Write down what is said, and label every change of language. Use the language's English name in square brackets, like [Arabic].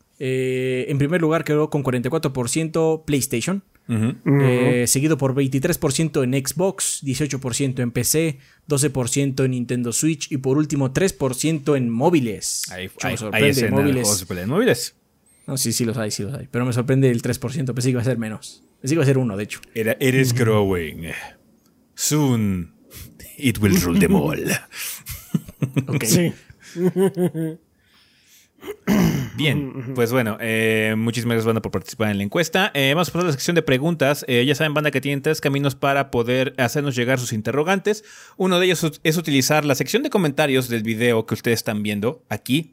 [Spanish] En primer lugar quedó con 44% PlayStation, seguido por 23% en Xbox, 18% en PC, 12% en Nintendo Switch y por último 3% en móviles. Ahí sorprende, móviles. No, sí los hay, pero me sorprende el 3%, pensé que iba a ser menos, pensé que iba a ser uno, de hecho. [English] It is growing. Soon, it will rule them all. [Spanish] Okay. Sí. Bien, pues bueno, muchísimas gracias, banda, por participar en la encuesta. Vamos a pasar a la sección de preguntas. Ya saben, banda, que tienen tres caminos para poder hacernos llegar sus interrogantes. Uno de ellos es utilizar la sección de comentarios del video que ustedes están viendo aquí.